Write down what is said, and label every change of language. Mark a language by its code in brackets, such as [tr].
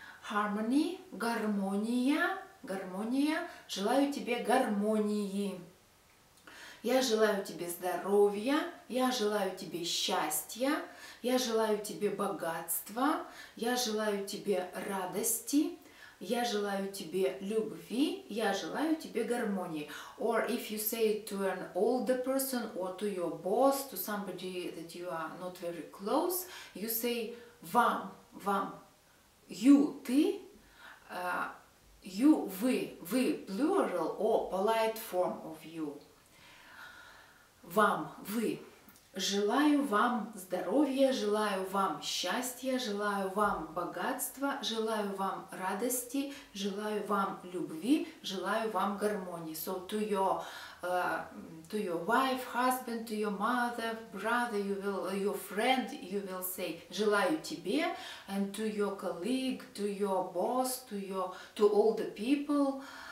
[ru] Harmony, гармония, гармония, желаю тебе гармонии. Я желаю тебе здоровья, я желаю тебе счастья, я желаю тебе богатства, я желаю тебе радости, я желаю тебе любви, я желаю тебе гармонии. [en] Or if you say it to an older person or to your boss, to somebody that you are not very close, you say [ru] вам, вам, [en] you, ты, you, [ru] вы, вы, [en] plural or polite form of you. [ru] Вам, вы, желаю вам здоровья, желаю вам счастья, желаю вам богатства, желаю вам радости, желаю вам любви, желаю вам гармонии. [en] So to your wife, husband, to your mother, brother, you will, your friend, you will say [ru] желаю тебе, [en] and to your colleague, to your boss, to your, to all the people.